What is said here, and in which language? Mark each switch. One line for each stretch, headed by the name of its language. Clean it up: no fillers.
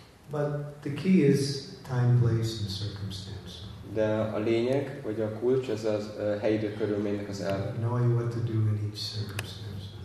English: But the key is time, place and circumstance.
Hungarian: De a lényeg, vagy a kulcs, ez az helyidő körülménynek az elve.
English: Knowing what to do in each circumstance.